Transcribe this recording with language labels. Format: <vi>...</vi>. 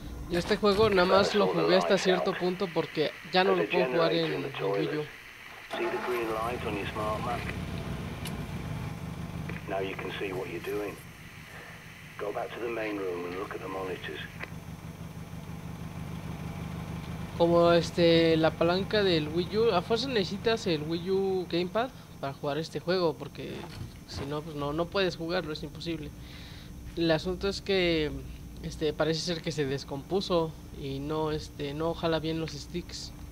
<es>Yo este juego nada más lo jugué hasta cierto punto porque ya no lo puedo jugar en el Wii U.</es> <en>See the green light on your smart map? Now you can see what you're doing. Go back to the main room and look at the monitors.</en> <es>Como la palanca del Wii U, a fuerza necesitas el Wii U Gamepad para jugar este juego, porque si no, pues no puedes jugarlo, es imposible. El asunto es que parece ser que se descompuso y no jala bien los sticks.</es>